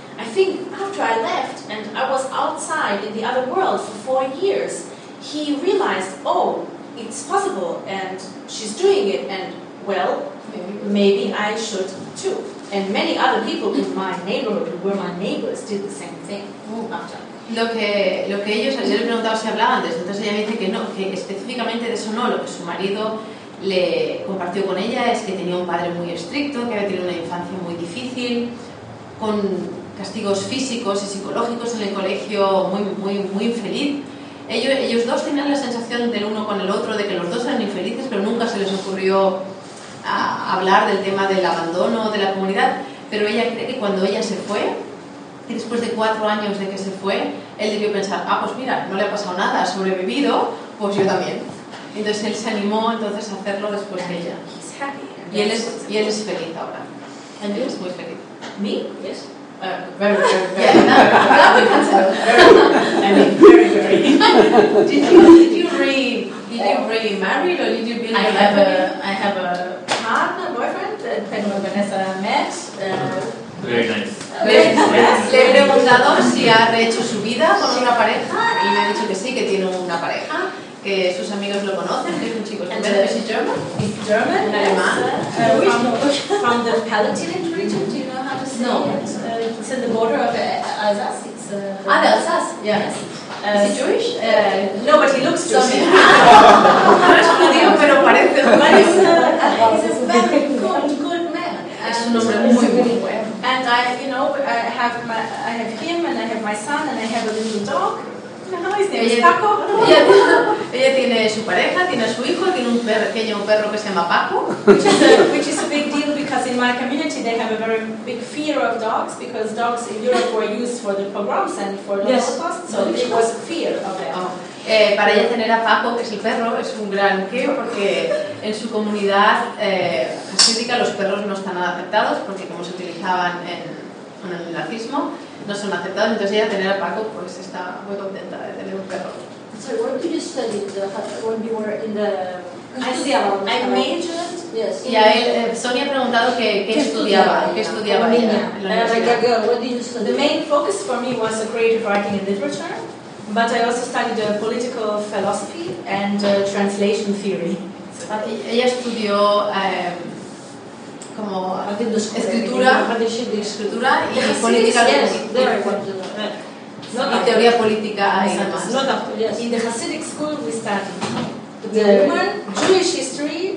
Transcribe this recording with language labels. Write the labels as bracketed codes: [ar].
[en] I think after I left and I was outside in the other world for 4 years, he realized, oh, it's possible, and she's doing it, and, well, maybe I should too. And many other people in my neighborhood who were my neighbors did the same thing after. [es] Lo que ellos, ayer le preguntaba si hablaban antes, entonces ella me dice que no, que específicamente de eso no. Lo que su marido le compartió con ella es que tenía un padre muy estricto, que había tenido una infancia muy difícil, con castigos físicos y psicológicos en el colegio, muy, muy, muy infeliz. Ellos dos tenían la sensación del uno con el otro de que los dos eran infelices, pero nunca se les ocurrió hablar del tema del abandono de la comunidad. Pero ella cree que cuando ella se fue, y después de 4 años de que se fue, él debió pensar, ah, pues mira, no le ha pasado nada, ha sobrevivido, pues yo también. Entonces él se animó entonces a hacerlo después de ella. Y él es feliz ahora. ¿Y él es muy feliz? ¿Me? [en] Yes. Did you remarry or did you build a family? I have a partner, boyfriend that Pedro and Vanessa met. Very nice. [es] Le he preguntado si ha rehecho su vida con una pareja y me ha dicho que sí, que tiene una pareja, que sus amigos lo conocen, que es un chico. [en] And is he German? He's German. [es] Un alemán. [en] From the Palatinate region. No, it's in the border of Alsace. The Alsace? Yes. Is he Jewish? No, but he looks Jewish. [es] No es judío, pero parece. [en] But he's a very good man. [es] Es un hombre muy bueno. [en] And I have him, and I have my son, and I have a little dog. [es] Ella tiene su pareja, tiene a su hijo, tiene un pequeño perro que se llama Paco. [en] Which is a big deal because in my community they have a very big fear of dogs because dogs in Europe were used for the pogroms and for the Holocaust, so there was fear of them. [es] Para ella tener a Paco, que es el perro, es un gran qué, porque en su comunidad jasídica los perros no están nada aceptados porque como se utilizaban en el nazismo, no son aceptados, entonces ella tener a Paco pues está muy contenta de tener un perro. [en] So what did you study when you were in the ICL? I majored. Yes. [es] Y a él, Sonia ha preguntado qué estudiaba ella. [en] The main focus for me was a creative writing and literature, but I also studied a political philosophy and a translation theory. [es] Ella estudió como escritura y política y teoría política [en] in the Hasidic school we study the women, Jewish history,